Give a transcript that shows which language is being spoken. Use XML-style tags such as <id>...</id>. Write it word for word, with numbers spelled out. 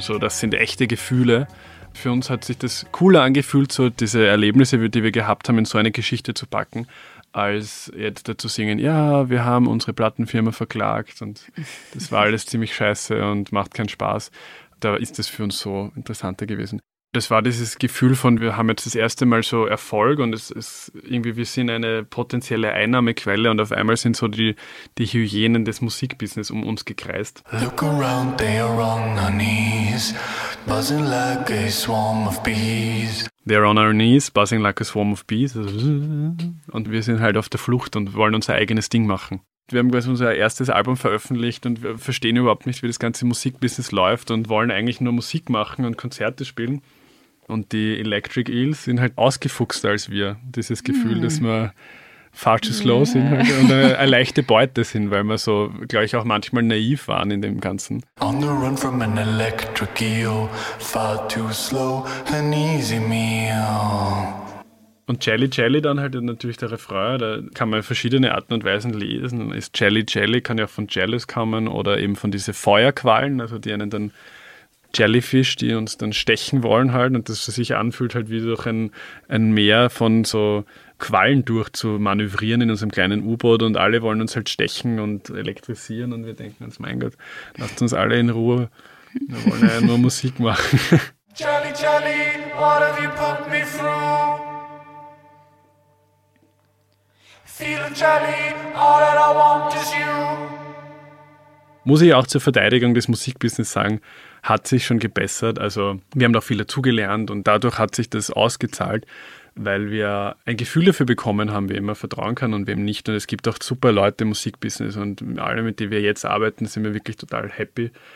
<de>So, das sind echte Gefühle. Für uns hat sich das cooler angefühlt, so diese Erlebnisse, die wir gehabt haben, in so eine Geschichte zu packen, als jetzt dazu singen, ja, wir haben unsere Plattenfirma verklagt und das war alles ziemlich scheiße und macht keinen Spaß. Da ist das für uns so interessanter gewesen. Das war dieses Gefühl von, wir haben jetzt das erste Mal so Erfolg und es ist irgendwie, wir sind eine potenzielle Einnahmequelle und auf einmal sind so die, die Hyänen des Musikbusiness um uns gekreist.</de> <en>Look around, they are on our knees, buzzing like a swarm of bees. They are on our knees, buzzing like a swarm of bees.</en> <de>Und wir sind halt auf der Flucht und wollen unser eigenes Ding machen. Wir haben quasi unser erstes Album veröffentlicht und wir verstehen überhaupt nicht, wie das ganze Musikbusiness läuft und wollen eigentlich nur Musik machen und Konzerte spielen. Und die Electric Eels sind halt ausgefuchster als wir. Dieses Gefühl, mm. dass wir</de> <en>far too slow yeah.</en> <de>sind halt und eine, eine leichte Beute sind, weil wir so, glaube ich, auch manchmal naiv waren in dem Ganzen.</de> <en>On the run from an electric eel, far too slow, an easy meal.</en> <de>Und Jelly Jelly dann halt natürlich der Refrain, da kann man verschiedene Arten und Weisen lesen. Ist Jelly Jelly, kann ja auch von Jealous kommen oder eben von diese Feuerquallen, also die einen dann Jellyfish, die uns dann stechen wollen halt und das sich anfühlt halt wie durch ein, ein Meer von so Quallen durch zu manövrieren in unserem kleinen U-Boot und alle wollen uns halt stechen und elektrisieren und wir denken uns, mein Gott, lasst uns alle in Ruhe, wir wollen ja nur Musik machen.</de> <en>Jelly Jelly, what have you put me through? Feeling jelly, all that I want is you.</en> <de>Muss ich auch zur Verteidigung des Musikbusiness sagen, hat sich schon gebessert. Also wir haben da viel dazugelernt und dadurch hat sich das ausgezahlt. weil wir ein Gefühl dafür bekommen haben, wem man vertrauen kann und wem nicht. Und es gibt auch super Leute im Musikbusiness und alle, mit denen wir jetzt arbeiten, sind wir wirklich total happy.</de>